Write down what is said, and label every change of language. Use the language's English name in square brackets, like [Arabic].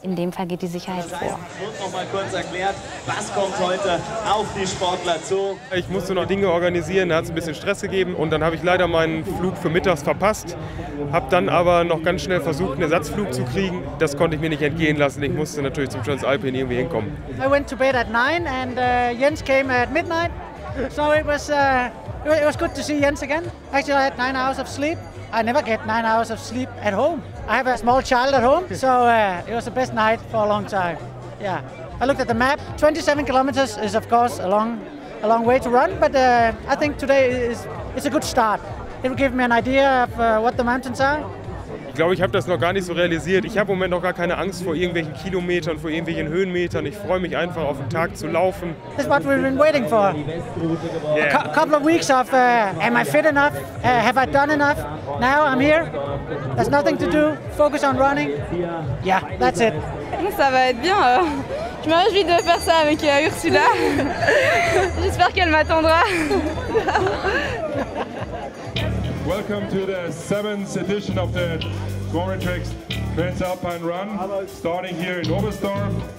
[German] In dem Fall geht die Sicherheit vor. Das heißt, es wird noch mal kurz erklärt, was kommt heute auf die Sportler zu. Ich musste noch Dinge organisieren, da hat es ein bisschen Stress gegeben. Und dann habe ich leider meinen Flug für mittags verpasst. Habe dann aber noch ganz schnell versucht, einen Ersatzflug zu kriegen. Das konnte ich mir nicht entgehen lassen. Ich musste natürlich zum Transalpin irgendwie hinkommen. [English] I went to bed at 9 and Jens came at midnight. So it was good to see Jens again. Actually, I had 9 hours of sleep. I never get 9 hours of sleep at home. I have a small child at home, so it was the best night for a long time. Yeah, I looked at the map. 27 kilometers is of course a long way to run, but I think today is a good start. It will give me an idea of what the mountains are. [German] Ich glaube, ich habe das noch gar nicht so realisiert. Ich habe im Moment noch gar keine Angst vor irgendwelchen Kilometern, vor irgendwelchen Höhenmetern. Ich freue mich einfach auf den Tag zu laufen. [English] This is what we've been waiting for. Yeah. A couple of weeks of am I fit enough? Have I done enough? Now I'm here. There's nothing to do. Focus on running. Yeah, that's it. [French] Ça va être bien. Je me réjouis de faire ça avec Ursula. J'espère qu'elle m'attendra. [English] Welcome to the 7th edition of the Quarantrex Transalpine Run, starting here in Oberstdorf.